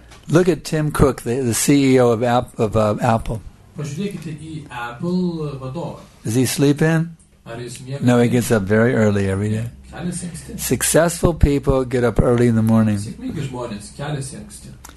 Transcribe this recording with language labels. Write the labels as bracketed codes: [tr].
[en] Look at Tim Cook, the CEO of Apple. [lt] Pažiūrėkite į Apple vadovą. [en] Does he sleep in? [lt] Ar jis miega? [en] No, he gets up very early every day. [lt] Keliasi anksti. [en] Successful people get up early in the morning. [lt] Sėkmingi žmonės keliasi anksti.